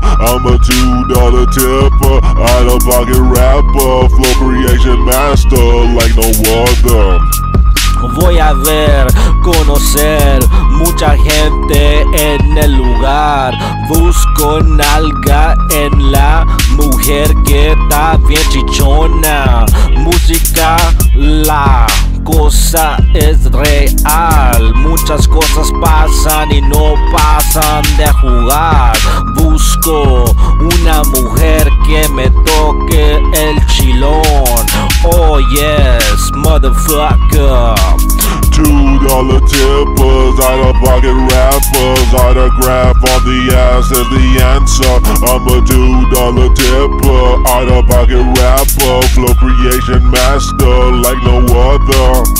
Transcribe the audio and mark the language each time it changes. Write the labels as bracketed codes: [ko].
[en] I'm a $2 tipper, out of pocket rapper, flow creation master like no other. [es] Voy a ver, conocer mucha gente en el lugar. Busco nalga en la mujer que está bien chichona. Música, la cosa es real. Muchas cosas pasan y no pasan de jugar. Busco una mujer que me toque el chilón. [en] Oh yes, motherfucker. $2 tippers, out of pocket rappers, autograph on the ass is the answer. I'm a $2 tipper, out of pocket rapper, flow creation master like no other.